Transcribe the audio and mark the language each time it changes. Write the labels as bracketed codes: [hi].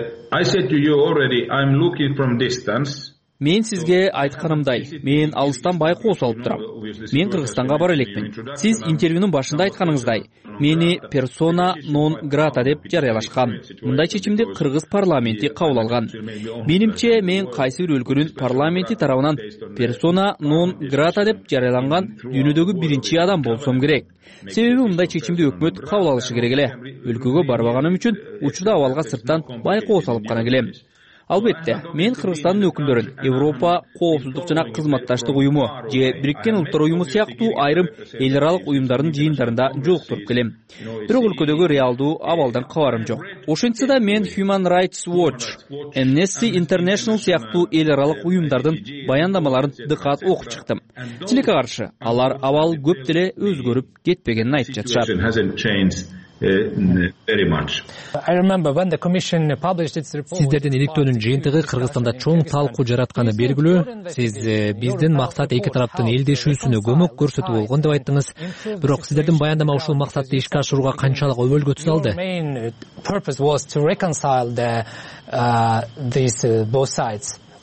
[en] I said to you already, I'm looking from distance. [ky] Мен сизге айтканымдай, мен алыстан байкоо салып турам. Мен Кыргызстанга бара элекмин. Сиз интервьюнун башында айтканыңыздай, мени персона нон грата деп жарыялашкан. Мындай чечимди кыргыз парламенти кабыл алган. Менимче, мен кайсы бир өлкөнүн парламенти тарабынан персона нон грата деп жарыяланган дүйнөдөгү биринчи адам болсом керек. Себеби мындай чечимди өкмөт кабыл алышы керек эле. Өлкөгө барбаганым үчүн учурда абалга сырттан байкоо салып гана келем. Албетте, мен Кыргызстандын өкүлдөрүн Европа Коопсуздук жана Кызматташтык Уюму же Бириккен Улуттар Уюму сыяктуу айрым эл аралык уюмдардын жыйындарында жолуктуруп келем. Бирок өлкөдөгү реалдуу абалдан кабарым жок. Ошентсе да мен Human Rights Watch, Amnesty International сыяктуу эл аралык уюмдардын баяндамаларын дыкат окуп чыктым. Тилекке каршы, алар абал көп деле өзгөрүп кетпегенин айтып жатышат. [en] Very much. I remember when the commission published its report. [ky] Сиздердин иликтөөнүн жыйынтыгы Кыргызстанда чоң талкуу жаратканы белгилүү. Сиз биздин максат эки тараптын элдешүүсүнө көмөк көрсөтүү болгон деп айттыңыз. Бирок сиздердин баяндама ушул максатты ишке ашырууга канчалык өбөлгөтүп алды? [en] Main purpose was to reconcile these both sides.